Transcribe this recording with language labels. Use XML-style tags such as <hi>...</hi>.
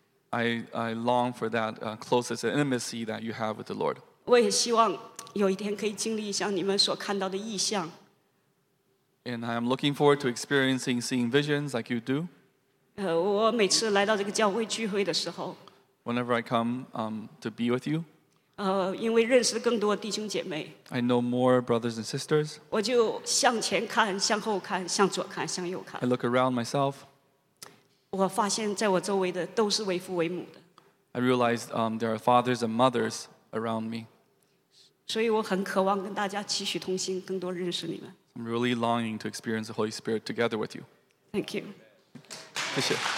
<en>I long for that closest intimacy that you have with the Lord.</en> <zh>我也希望有一天可以经历像你们所看到的异象。</zh> <en>And I am looking forward to experiencing seeing visions like you do.</en> <zh>我每次来到这个教会聚会的时候。</zh> <en>Whenever I come to be with you.</en> <zh>因为认识更多弟兄姐妹。</zh> <en>I know more brothers and sisters.</en> <zh>我就向前看，向后看，向左看，向右看。</zh> <en>I look around myself.</en> <zh>我发现在我周围的都是为父为母的。</zh> <en>I realized there are fathers and mothers around me.</en> <zh>所以我很渴望跟大家齐齐同心，更多认识你们。</zh> <en>I'm really longing to experience the Holy Spirit together with you. Thank you.</en> <zh>谢谢。</zh>